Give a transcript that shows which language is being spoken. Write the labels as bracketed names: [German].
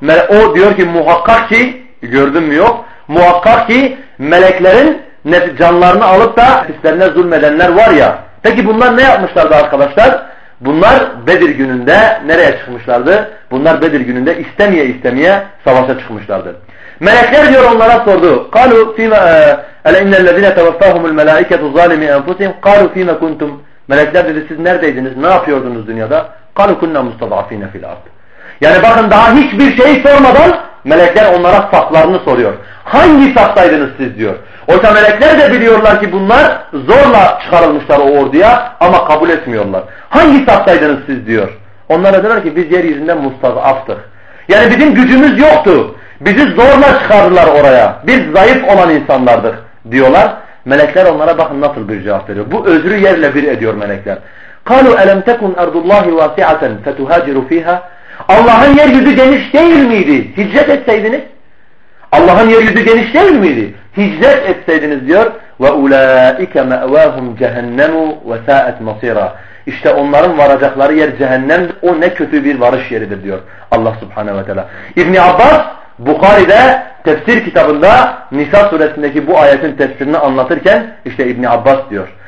[Turkish] O diyor ki muhakkak ki gördün mü, yok? Muhakkak ki meleklerin canlarını alıp da nefislerine zulmedenler var ya. Peki bunlar ne yapmışlardı arkadaşlar? Bunlar Bedir gününde nereye çıkmışlardı? Bunlar Bedir gününde istemeye istemeye savaşa çıkmışlardı. Melekler diyor onlara sordu. [Arabic] قَالُوا فِيمَ اَلَا اِنَّ الَّذِينَ تَوَفَّاهُمُ الْمَلَائِكَةُ ظَالِمِ اَنْفُسِهِمْ قَالُوا فِيمَ كُنْتُمْ [Turkish] Melekler dedi siz neredeydiniz? Ne yapıyordunuz dünyada? [Arabic] قَالُوا كُنَّا مُسْتَضَعَف۪ينَ فِي الْعَرْضِ [Turkish] Yani bakın daha hiçbir şeyi sormadan melekler onlara saflarını soruyor. Hangi saftaydınız siz diyor. Oysa melekler de biliyorlar ki bunlar zorla çıkarılmışlar o orduya ama kabul etmiyorlar. Hangi saftaydınız siz diyor. Onlar da diyorlar ki biz yeryüzünde mustazaftık. Yani bizim gücümüz yoktu. Bizi zorla çıkardılar oraya. Biz zayıf olan insanlardık diyorlar. Melekler onlara bakın nasıl bir cevap veriyor. Bu özrü yerle bir ediyor melekler. [Arabic] قَالُوا أَلَمْ تَكُنْ أَرْضُ اللّٰهِ وَاسِعَةً فَتُهَاجِرُ ف۪يهَا [Turkish] Allah'ın yeryüzü geniş değil miydi? Hicret etseydiniz. Allah'ın yeryüzü geniş değil miydi? Hicret etseydiniz diyor. [Arabic] وَاُولَٰئِكَ مَأْوَاهُمْ جَهَنَّمُ وَسَاءَتْ مَصِيرًا [Turkish] İşte onların varacakları yer cehennem. O ne kötü bir varış yeridir diyor. Allah subhanehu ve teala. İbni Abbas Bukhari'de tefsir kitabında Nisa suresindeki bu ayetin tefsirini anlatırken işte İbni Abbas diyor.